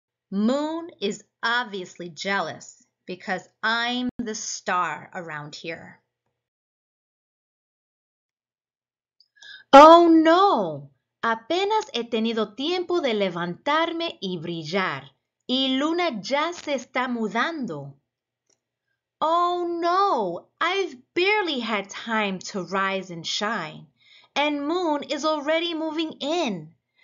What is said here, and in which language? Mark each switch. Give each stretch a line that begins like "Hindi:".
English: Moon is obviously jealous because I'm the star around here. Oh no!
Spanish: Apenas he tenido tiempo de levantarme y brillar, y Luna ya se está mudando.
English: Oh no, I've barely had time to rise and shine, and Moon is already moving in.